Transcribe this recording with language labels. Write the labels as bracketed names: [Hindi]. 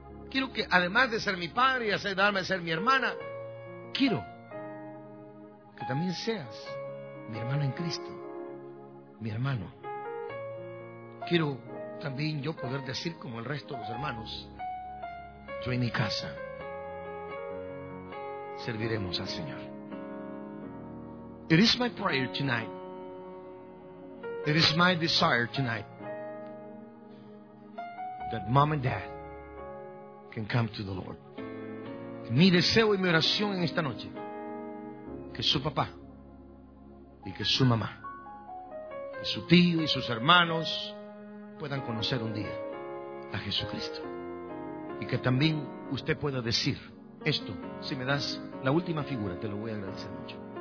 [Spanish] Quiero que, además de ser mi padre y darme a ser mi hermana, quiero que también seas mi hermano en Cristo. Mi hermano. Quiero también yo poder decir, como el resto de los hermanos, yo en mi casa serviremos al Señor. [English] It is my prayer tonight. It is my desire tonight that mom and dad can come to the Lord. [Spanish] Mi deseo y mi oración en esta noche, que su papá y que su mamá, que su tío y sus hermanos puedan conocer un día a Jesucristo. Y que también usted pueda decir esto. Si me das la última figura, te lo voy a agradecer mucho.